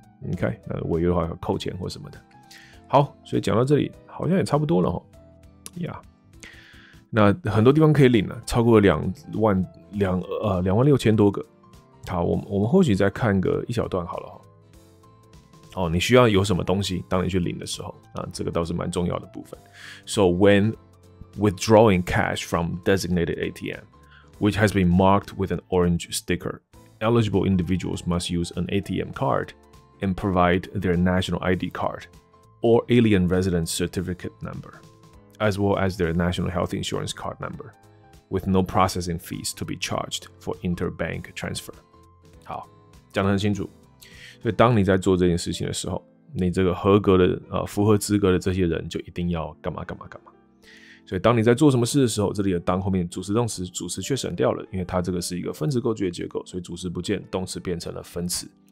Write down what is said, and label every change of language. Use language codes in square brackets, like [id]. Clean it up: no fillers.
[zh] 你看，那违约的话要扣钱或什么的。好，所以讲到这里好像也差不多了齁。 [en] Yeah. [zh] 那很多地方可以领了，超过26000多个。好，我们或许再看个一小段好了哈。哦，你需要有什么东西？当你去领的时候啊，这个倒是蛮重要的部分。 [en] So when withdrawing cash from designated ATM, which has been marked with an orange sticker, eligible individuals must use an ATM card and provide their national ID card or alien residence certificate number, as well as their national health insurance card number. With no processing fees to be charged for interbank transfer. [zh] 好，讲得很清楚。所以当你在做这件事情的时候，你这个合格的、符合资格的这些人就一定要干嘛干嘛干嘛。所以当你在做什么事的时候，这里的当后面主词动词主词却省掉了，因为它这个是一个分词构句的结构，所以主词不见，动词变成了分词。